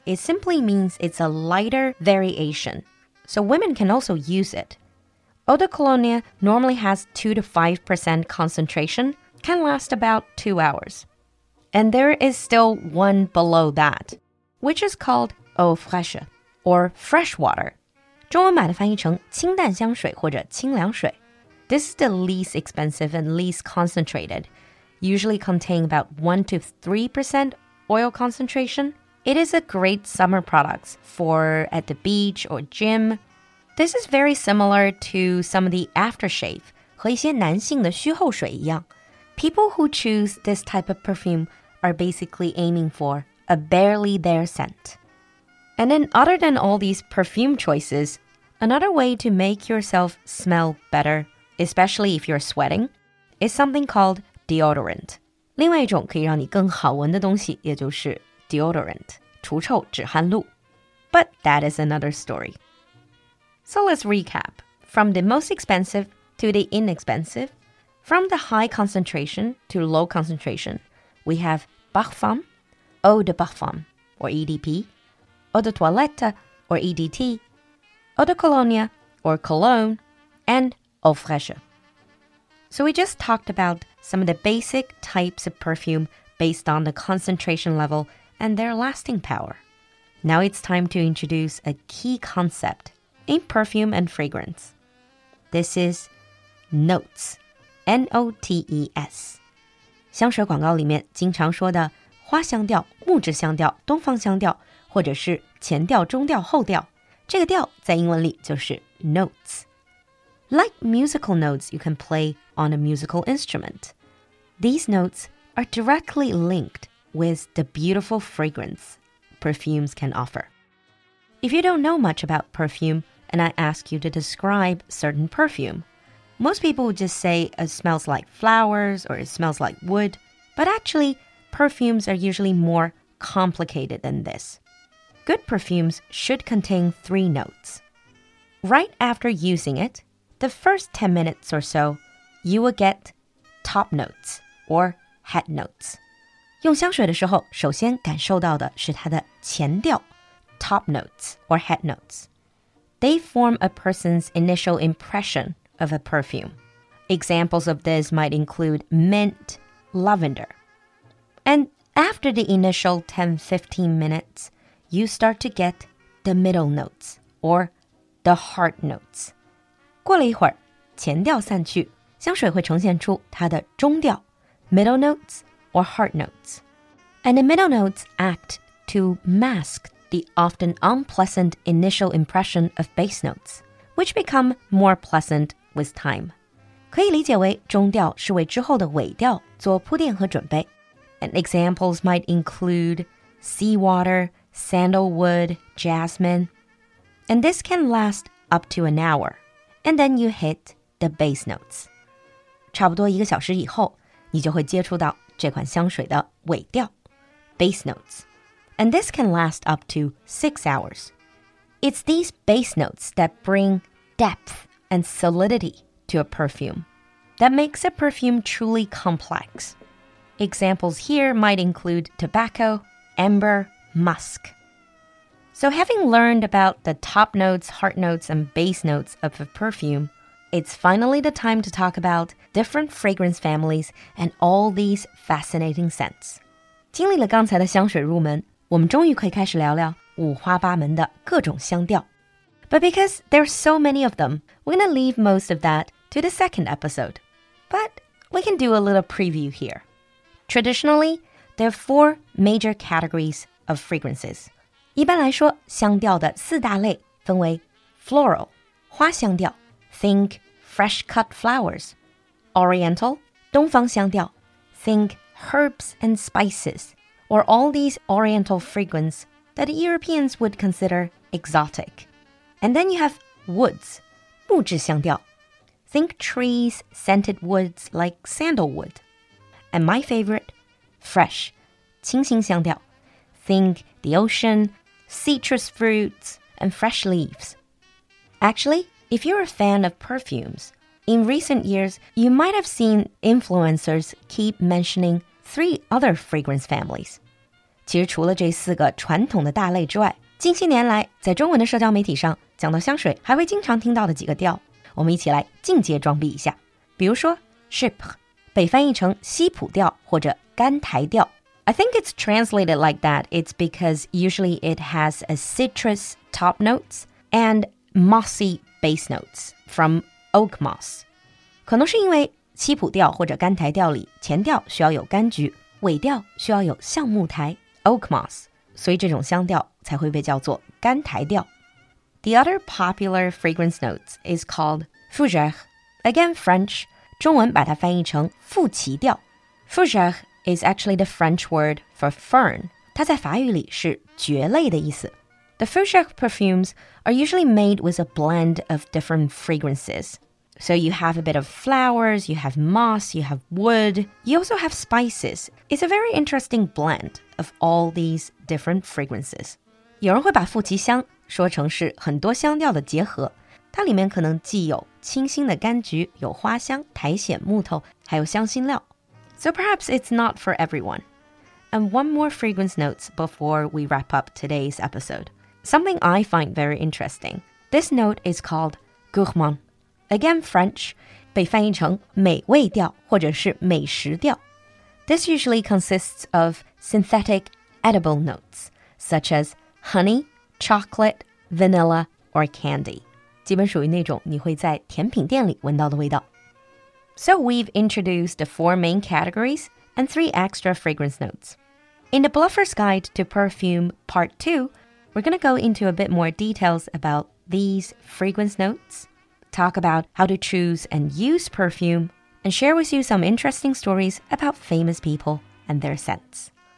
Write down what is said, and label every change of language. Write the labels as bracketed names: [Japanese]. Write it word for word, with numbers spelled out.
[English] It simply means it's a lighter variation. So women can also use it. Eau de cologne normally has two to five percent concentration, can last about two hours. And there is still one below that, which is called eau fraîche, or fresh water. [Chinese] 中文版的翻译成清淡香水或者清凉水。 [English] This is the least expensive and least concentrated, usually containing about one to three percent oil concentration. It is a great summer product for at the beach or gym. This is very similar to some of the aftershave [Chinese] 和一些男性的虚后水一样。 [English] People who choose this type of perfume are basically aiming for a barely there scent. And then other than all these perfume choices, another way to make yourself smell better, especially if you're sweating, is something called deodorant. [Chinese] 另外一种可以让你更好闻的东西也就是 deodorant, 除臭止汗露。 [English] But that is another story. So let's recap. From the most expensive to the inexpensive, from the high concentration to low concentration, we have parfum, eau de parfum, or E D P,eau de toilette, or E D T, eau de cologne, or cologne, and eau fraîche. So we just talked about some of the basic types of perfume based on the concentration level and their lasting power. Now it's time to introduce a key concept in perfume and fragrance. This is notes, N O T E S. [Chinese] 香水广告里面经常说的花香调、木质香调、东方香调或者是前调、中调、后调，这个调在英文里就是 notes. [English] Like musical notes you can play on a musical instrument, these notes are directly linked with the beautiful fragrance perfumes can offer. If you don't know much about perfume and I ask you to describe certain perfume, most people would just say it smells like flowers or it smells like wood, but actually perfumes are usually more complicated than this. Good perfumes should contain three notes. Right after using it, the first ten minutes or so, you will get top notes or head notes. [Chinese] 用香水的时候，首先感受到的是它的前调 [English] top notes or head notes. They form a person's initial impression of a perfume. Examples of this might include mint, lavender. And after the initial ten to fifteen minutes, you start to get the middle notes or the hard notes. [Chinese] 过了一会儿，前调散去，香水会呈现出它的中调 [English] middle notes or hard notes. And the middle notes act to mask the often unpleasant initial impression of bass notes, which become more pleasant with time. [Chinese] 可以理解为中调是为之后的尾调做铺垫和准备。 [English] And examples might include seawater, sandalwood, jasmine. And this can last up to an hour. And then you hit the bass notes. [Chinese] 差不多一个小时以后，你就会接触到这款香水的尾调 bass notes. [English] And this can last up to six hours. It's these bass notes that bring depth and solidity to a perfume that makes a perfume truly complex. Examples here might include tobacco, amber, musk. So having learned about the top notes, heart notes, and base notes of a perfume, it's finally the time to talk about different fragrance families and all these fascinating scents. [Chinese] 经历了刚才的香水入门，我们终于可以开始聊聊五花八门的各种香调。 [English] But because there's so many of them, we're going to leave most of that to the second episode. But we can do a little preview here. Traditionally, there are four major categories of fragrances. [Chinese] 一般来说，香调的四大类分为 [English] floral, 花香调 think fresh-cut flowers, oriental, 东方香调 think herbs and spices, or all these oriental fragrances that Europeans would consider exotic. And then you have woods, 木质香调 think trees, scented woods like sandalwood. And my favorite, fresh, 清新香调 think the ocean, citrus fruits, and fresh leaves. Actually, if you're a fan of perfumes, in recent years, you might have seen influencers keep mentioning three other fragrance families. [Chinese] 其实除了这四个传统的大类之外，近些年来在中文的社交媒体上讲到香水还会经常听到的几个调，我们一起来进阶装逼一下。比如说 Chypre 被翻译成西普调或者甘台调。 [English] I think it's translated like that. It's because usually it has a citrus top notes and mossy base notes from oak moss. [Chinese] 可能是因为西普调或者甘台调里前调需要有柑橘，尾调需要有橡木苔 oak moss， 所以这种香调才会被叫做甘台调。 [English] The other popular fragrance notes is called fougère, again French, [Chinese] 中文把它翻译成馥奇调。 [English] Fougère is actually the French word for fern. [Chinese] 它在法语里是蕨类的意思。 [English] The fougère perfumes are usually made with a blend of different fragrances. So you have a bit of flowers, you have moss, you have wood, you also have spices. It's a very interesting blend of all these different fragrances. [Chinese] 有人会把馥奇香说成是很多香调的结合，它里面可能既有清新的柑橘，有花香、苔藓、木头，还有香辛料。 [English] So perhaps it's not for everyone. And one more fragrance notes before we wrap up today's episode. Something I find very interesting. This note is called gourmand. Again, French, [Chinese] 被翻译成美味调或者是美食调。 [English] This usually consists of synthetic edible notes, such as honey, chocolate, vanilla, or candy. [Chinese] 基本属于那种你会在甜品店里闻到的味道。 [English] So we've introduced the four main categories and three extra fragrance notes. In the Bluffer's Guide to Perfume Part two, we're going to go into a bit more details about these fragrance notes. Talk about how to choose and use perfume, and share with you some interesting stories about famous people and their scents.